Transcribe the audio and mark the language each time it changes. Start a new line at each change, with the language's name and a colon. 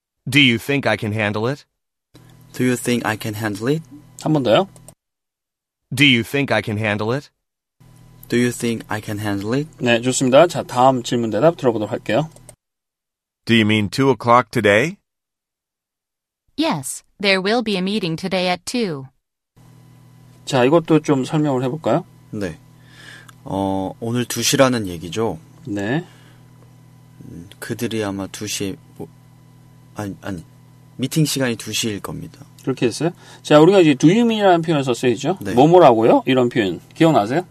English: Do you think I can handle it? Do you think I can handle it?
Korean: 한 번 더요.
English: Do you think I can handle it? Do you think I can handle it?
Korean: 네, 좋습니다. 자, 다음 질문 대답 들어보도록 할게요.
English: Do you mean 2 o'clock today? Yes, there will be a meeting today at 2.
Korean: 자, 이것도 좀 설명을 해볼까요? 네. 오늘 2시라는 얘기죠? 네. 그들이 아마 2시에... 뭐, 아니, 미팅 시간이 2시일 겁니다. 그렇게 했어요? 자, 우리가 이제
English: do you mean
Korean: 이라는 표현을 썼어야죠? 네. 뭐뭐라고요? 이런 표현. 기억나세요?